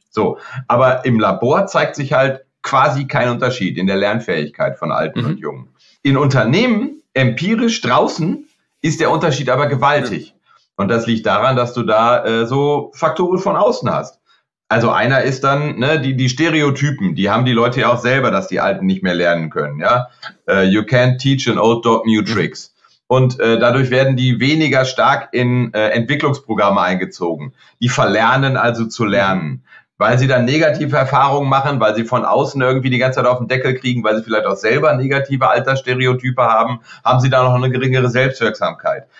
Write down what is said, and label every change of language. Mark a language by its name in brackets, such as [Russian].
[German] So, aber im Labor zeigt sich halt quasi kein Unterschied in der Lernfähigkeit von Alten und Jungen. In Unternehmen, empirisch draußen, ist der Unterschied aber gewaltig. Und das liegt daran, dass du da so Faktoren von außen hast. Also einer ist dann, ne, die Stereotypen, die haben die Leute ja auch selber, dass die Alten nicht mehr lernen können, ja. [English] You can't teach an old dog new tricks. [German] Und dadurch werden die weniger stark in Entwicklungsprogramme eingezogen. Die verlernen also zu lernen, weil sie dann negative Erfahrungen machen, weil sie von außen irgendwie die ganze Zeit auf den Deckel kriegen, weil sie vielleicht auch selber negative Altersstereotype haben, haben sie da noch eine geringere Selbstwirksamkeit.